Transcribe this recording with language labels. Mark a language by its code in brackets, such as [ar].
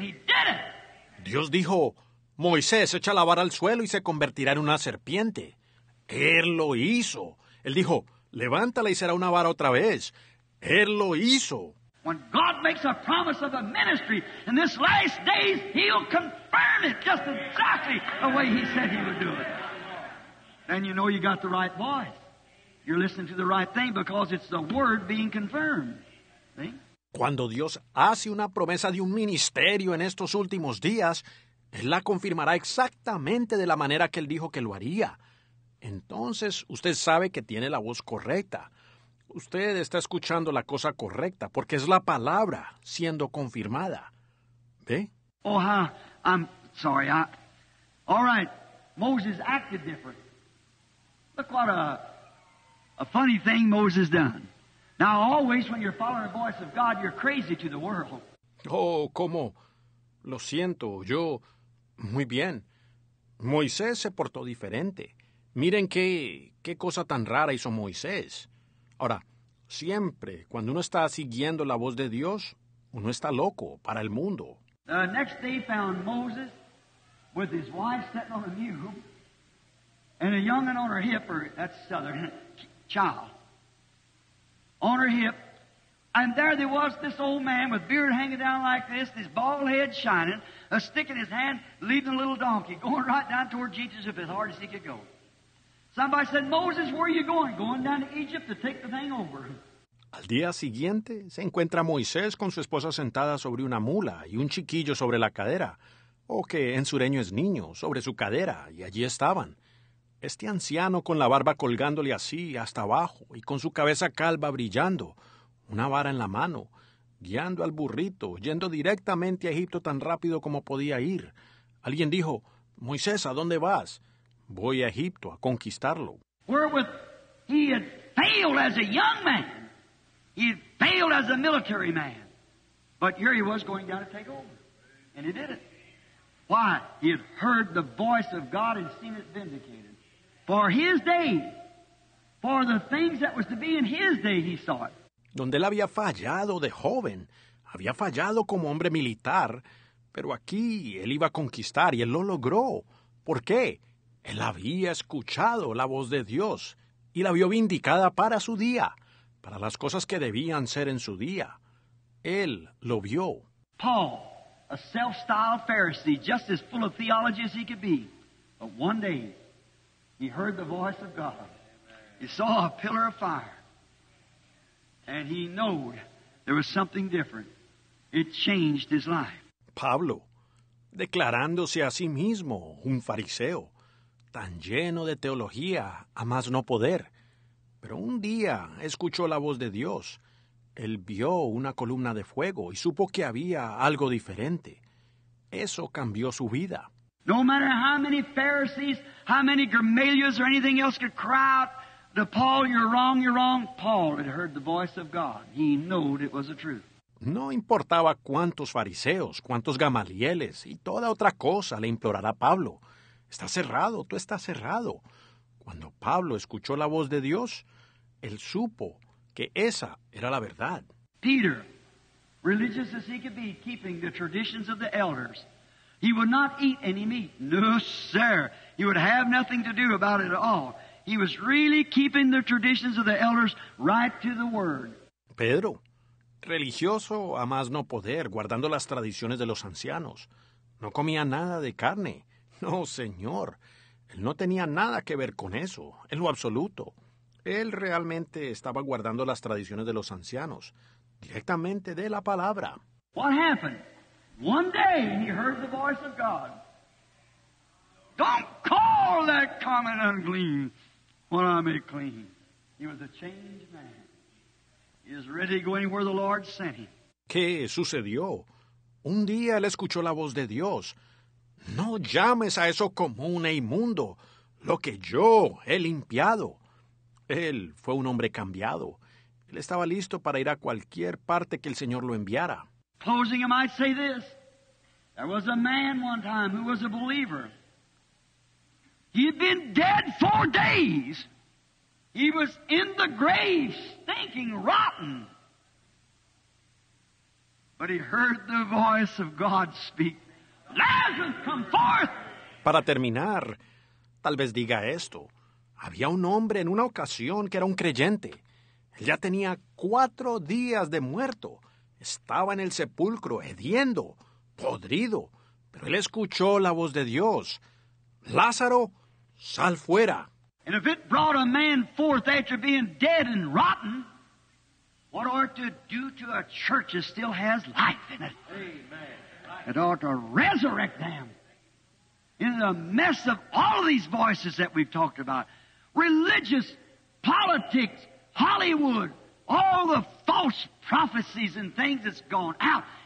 [en] He did it. [es] Dios dijo, Moisés, echa la vara al suelo y se convertirá en una serpiente. Él lo hizo. Él dijo, levántala y será una vara otra vez. Él lo hizo. [en] When God makes a promise of a ministry in this last days, he'll confirm it just exactly the way he said he would do it. Then you know you got the right voice. You're listening to the right thing because it's the word being confirmed. See? [es] Cuando Dios hace una promesa de un ministerio en estos últimos días, Él la confirmará exactamente de la manera que él dijo que lo haría. Entonces, usted sabe que tiene la voz correcta. Usted está escuchando la cosa correcta, porque es la palabra siendo confirmada. ¿Ve? [en] Oh, I'm sorry. All right. Moses acted different. Look what a funny thing Moses done. Now, always when you're following the voice of God, you're crazy to the world. [es] Oh, cómo. Lo siento. Yo... Muy bien. Moisés se portó diferente. Miren qué cosa tan rara hizo Moisés. Ahora, siempre, cuando uno está siguiendo la voz de Dios, uno está loco para el mundo. [en] The next day found Moses with his wife sitting on a mule and a young one on her hip, or that's southern, child, on her hip. And there there was this old man with beard hanging down like this, his bald head shining, a stick in his hand, leading a little donkey, going right down toward Jesus with as hard as he could go. Somebody said, Moses, where are you going? Going down to Egypt to take the thing over. [es] Al día siguiente, se encuentra Moisés con su esposa sentada sobre una mula y un chiquillo sobre la cadera, o que en sureño es niño, sobre su cadera, y allí estaban. Este anciano con la barba colgándole así hasta abajo y con su cabeza calva brillando, una vara en la mano, guiando al burrito, yendo directamente a Egipto tan rápido como podía ir. Alguien dijo, Moisés, ¿a dónde vas? Voy a Egipto a conquistarlo. [en] Wherewith he had failed as a young man. He had failed as a military man. But here he was going down to take over. And he did it. Why? He had heard the voice of God and seen it vindicated. For his day, for the things that was to be in his day, he saw it. [es] Donde él había fallado de joven, había fallado como hombre militar, pero aquí él iba a conquistar y él lo logró. ¿Por qué? Él había escuchado la voz de Dios y la vio vindicada para su día, para las cosas que debían ser en su día. Él lo vio. [en] Paul, a self-styled Pharisee, just as full of theology as he could be, but one day he heard the voice of God. He saw a pillar of fire. And he knew there was something different. It changed his life. [es] Pablo, declarándose a sí mismo un fariseo, tan lleno de teología a más no poder, pero un día escuchó la voz de Dios. Él vio una columna de fuego y supo que había algo diferente. Eso cambió su vida. [en] No matter how many Pharisees, how many Gamaliels or anything else could cry out, to Paul, you're wrong, Paul had heard the voice of God. He knew it was the truth. [es] No importaba cuántos fariseos, cuántos gamalieles y toda otra cosa le implorara a Pablo. Está cerrado, tú estás cerrado. Cuando Pablo escuchó la voz de Dios, él supo que esa era la verdad. [en] Peter, religious as he could be, keeping the traditions of the elders, he would not eat any meat. No, sir. He would have nothing to do about it at all. He was really keeping the traditions of the elders right to the word. [es] Pedro, religioso a más no poder, guardando las tradiciones de los ancianos. No comía nada de carne. No, señor. Él no tenía nada que ver con eso, en lo absoluto. Él realmente estaba guardando las tradiciones de los ancianos, directamente de la palabra. [en] What happened? One day he heard the voice of God. Don't call that common unclean. Well, I made clean. He was a changed man. He is ready to go anywhere the Lord sent him. [es] ¿Qué sucedió? Un día él escuchó la voz de Dios. No llames a eso común e inmundo, lo que yo he limpiado. Él fue un hombre cambiado. Él estaba listo para ir a cualquier parte que el Señor lo enviara. [en] Closing, I might say this. There was a man one time who was a believer. He'd been dead 4 days. He was in the grave, stinking rotten. But he heard the voice of God speak. Lazarus, come forth! [es] Para terminar, tal vez diga esto. Había un hombre en una ocasión que era un creyente. Él ya tenía 4 días de muerto. Estaba en el sepulcro, hediendo, podrido. Pero él escuchó la voz de Dios. Lázaro, sal fuera. [en] And if it brought a man forth after being dead and rotten, what ought to do to a church that still has life in it? Amen. It ought to resurrect them. in the mess of all these voices that we've talked about, religious, politics, Hollywood, all the false prophecies and things that's gone out.